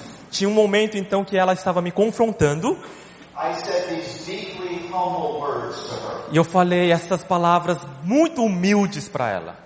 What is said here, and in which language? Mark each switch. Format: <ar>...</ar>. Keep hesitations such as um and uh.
<pt>Tinha um momento então que ela estava me confrontando.</pt> <en>I said these deeply humble words to her.</en> <pt>eu falei essas palavras muito humildes para ela.</pt>